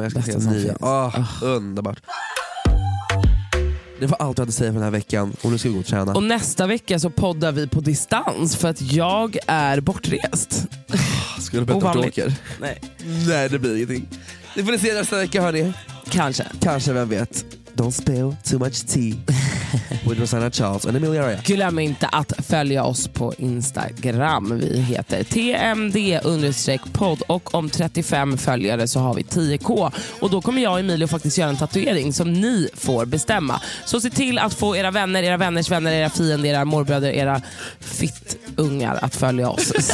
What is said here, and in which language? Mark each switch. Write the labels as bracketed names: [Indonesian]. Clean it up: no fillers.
[Swedish] och jag älskar se nya. Underbart. Det var allt jag hade att säga för den här veckan. Och nu ska vi gå och träna. Och nästa vecka så poddar vi på distans, för att jag är bortrest. Ska du berätta om du åker? Nej, det blir ingenting. Det får ni se nästa vecka, hörni. Kanske, vem vet. [English] Don't spill too much tea with Rosanna Charles and Emilia Raya. [Swedish] Glöm inte att följa oss på Instagram. Vi heter tmd_pod. Och om 35 följare så har vi 10k. Och då kommer jag och Emilio faktiskt göra en tatuering som ni får bestämma. Så se till att få era vänner, era vänners vänner, era fiender, era morbröder, era fittungar att följa oss.